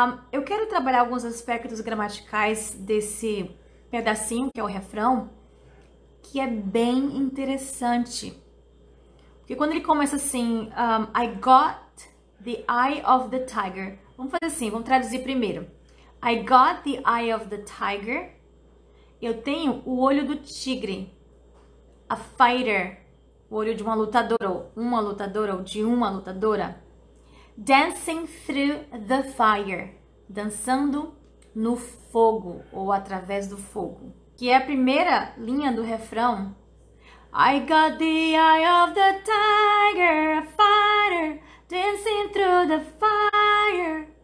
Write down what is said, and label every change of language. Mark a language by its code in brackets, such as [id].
[pt] Eu quero trabalhar alguns aspectos gramaticais desse pedacinho, que é o refrão, que é bem interessante. Porque quando ele começa assim, [en] I got the eye of the tiger. [pt] Vamos fazer assim, vamos traduzir primeiro. [en] I got the eye of the tiger. [pt] Eu tenho o olho do tigre. [en] A fighter. [pt] O olho de uma lutadora. Ou uma lutadora. Ou de uma lutadora. [en] Dancing through the fire. [pt] Dançando no fogo. Ou através do fogo. Que é a primeira linha do refrão. [en] I got the eye of the tiger. A fighter. Dancing through the fire.